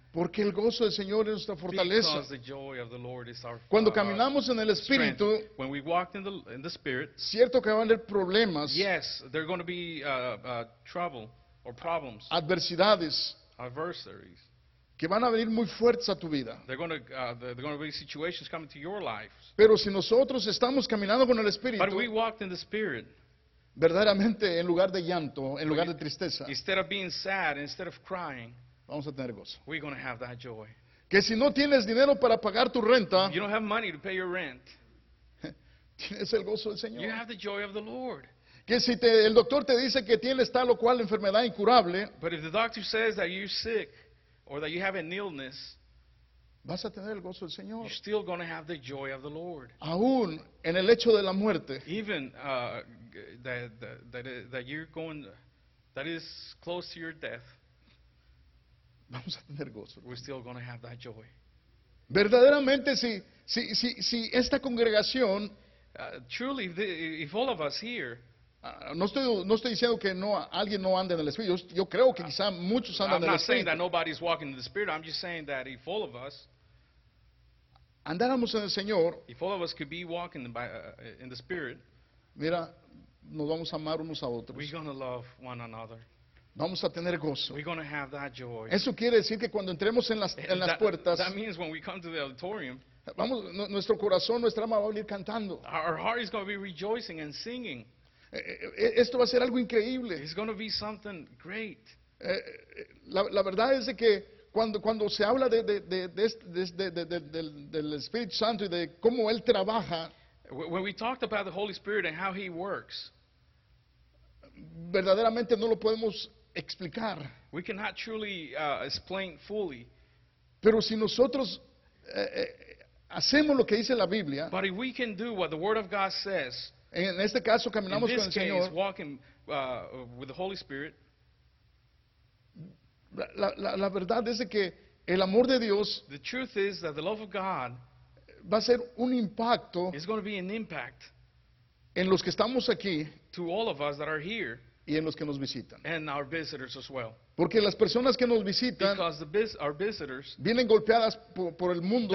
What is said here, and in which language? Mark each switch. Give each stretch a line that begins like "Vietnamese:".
Spanish: Porque el gozo del Señor es nuestra fortaleza.
English: Because the joy of the Lord is our
Spanish: cuando caminamos en el Espíritu,
English: strength. When we walked in the Spirit,
Spanish: cierto que van a haber problemas.
English: Yes, there are going to be trouble or problems.
Spanish: Adversidades.
English: Adversaries.
Spanish: Que van a venir muy fuertes a tu vida.
English: There are going to be situations coming to your life.
Spanish: Pero si nosotros estamos caminando con el Espíritu,
English: but we walked in the Spirit,
Spanish: verdaderamente en lugar de llanto, en lugar de tristeza,
English: instead of being sad, instead of crying,
Spanish: vamos a tener gozo.
English: We're going to have that joy.
Spanish: Que si no tienes dinero para pagar tu renta,
English: you don't have money to pay your rent,
Spanish: tienes el gozo del Señor.
English: You have the joy of the Lord.
Spanish: Que si el doctor te dice que tienes tal o cual enfermedad incurable,
English: but if the doctor says that you're sick, or that you have an illness,
Spanish: vas a tener el gozo del Señor.
English: You're still going to have the joy of the Lord.
Spanish: Aún en el hecho de la muerte,
English: even that you're going, that is close to your death,
Spanish: vamos a tener gozo.
English: We're still going to have that joy.
Spanish: Verdaderamente, si esta congregación,
English: truly, if all of us here.
Spanish: No estoy diciendo que no alguien no ande en el Espíritu. Yo creo que quizá muchos andan en el Espíritu.
English: I'm not saying that nobody's walking in the Spirit. I'm just saying that if all of us
Spanish: andáramos en el Señor,
English: if all of us could be walking in the Spirit,
Spanish: mira, nos vamos a amar unos a otros.
English: We're going to love one another.
Spanish: Vamos a tener gozo.
English: We're going to have that joy.
Spanish: Eso quiere decir que cuando entremos en las puertas,
English: that means when we come to the auditorium,
Spanish: vamos, nuestro corazón, nuestra alma va a venir cantando.
English: Our heart is going to be rejoicing and singing.
Spanish: Esto va a ser algo increíble.
English: It's going to be something great.
Spanish: La verdad es de que cuando se habla del Espíritu Santo y de cómo él trabaja,
English: when we talked about the Holy Spirit and how he works,
Spanish: verdaderamente no lo podemos explicar.
English: We cannot truly explain fully.
Spanish: Pero si nosotros hacemos lo que dice la Biblia,
English: but if we can do what the Word of God says,
Spanish: en este caso caminamos
English: in this
Spanish: con el
English: case,
Spanish: Señor,
English: walking with the Holy Spirit,
Spanish: la verdad es de que el amor de Dios,
English: the truth is that the love of God,
Spanish: va a ser un impacto,
English: is going to be an impact,
Spanish: en los que estamos aquí,
English: to all of us that are here,
Spanish: y en los que nos visitan,
English: and our visitors as well.
Spanish: Porque las personas que nos visitan,
English: because our visitors,
Spanish: vienen golpeadas por el mundo,